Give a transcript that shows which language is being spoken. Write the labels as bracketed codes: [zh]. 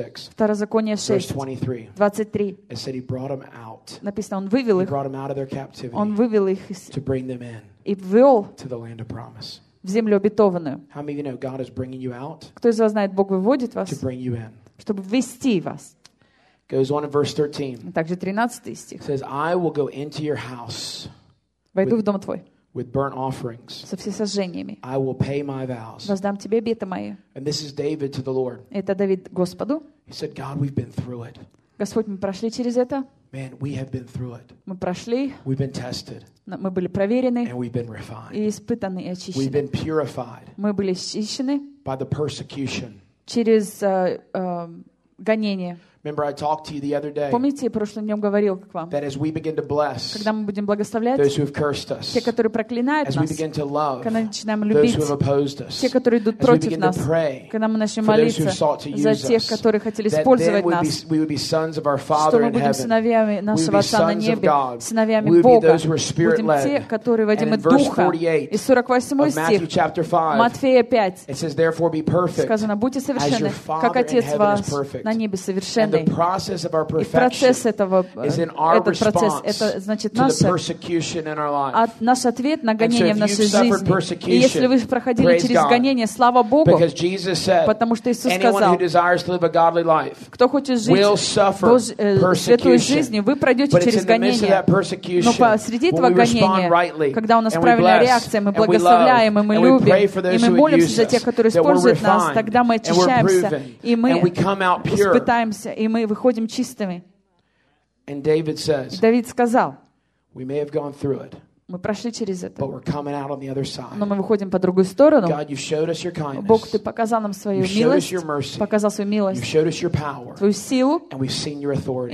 [ru] Второзаконие 6, 23. Написано, Он вывел их. Он вывел их и ввел в землю обетованную. В землю обетованную. Кто из вас знает, Бог выводит вас, чтобы ввести вас? Также 13 стих. [en] Says, I will go into your house. [ru] Войду в дом твой. [en] With burnt offerings. [ru] Со всесожжениями. [en] I will pay my vows. [ru] Воздам тебе обеты мои. [en] And this is David to the Lord. [ru] Это Давид Господу. [en] He said, God, we've been through it. [ru] Господь, мы прошли через это. [en] Man, we have been through it. [ru] Мы прошли. [en] We've been tested. [ru] Мы были проверены. [en] And we've been refined. [ru] И испытаны, и очищены. [en] We've been purified. [ru] Мы были очищены. [en] By the persecution. [ru] Через гонение. [en] Remember, I talked to you the other day. [ru] Помните, я прошлым днем говорил к вам. [en] That as we begin to bless. [ru] Когда мы будем благословлять. [en] Those who have cursed us. [ru] Те, которые проклинают [en] as [ru] нас. [en] As we begin to love. [ru] Когда начинаем любить. [en] Those who have opposed us. [ru] Те, которые идут против нас. [en] As we begin to pray. [ru] Когда мы начнем молиться. За тех, которые хотели использовать нас. [en] That then we would be sons of our Father in heaven. [ru] Что мы будем сыновьями нашего Отца на небе. Сыновьями Бога. [en] We would be those who are spirit led. [ru] Будем те, которые водимы Духа. И 48 стих. Матфея 5. [en] It says, therefore be perfect. [ru] Сказано, будьте совершенны. Как Отец вас на небе совершен. [en] And the process of our perfection is in our response to the persecution in our life. [ru] Наш ответ на гонение в нашей жизни. [en] And so if you've suffered persecution, [ru] и если вы проходили через гонение, слава Богу, [en] because Jesus said, [ru] потому что Иисус сказал, [en] anyone who desires to live a godly life, [ru] кто хочет жить [en] will suffer persecution. [ru] Святую жизнь, вы пройдете через гонение. [en] But it's in the midst of that persecution, [ru] но посреди этого гонения, [en] rightly, [ru] когда у нас правильная реакция, мы благословляем, и мы любим, и мы молимся за тех, которые используют нас, тогда мы очищаемся, и мы испытаемся. И мы выходим чистыми. [en] And David says, [ru] Давид сказал, [en] we may have gone through it, [ru] мы прошли через это, [en] but we're coming out on the other side. [ru] Но мы выходим по другую сторону. [en] God, you've showed us your kindness. [ru] Бог, Ты показал нам Свою милость, показал Свою милость, [en] you've showed us your power, [ru] Твою силу, [en] and we've seen your authority.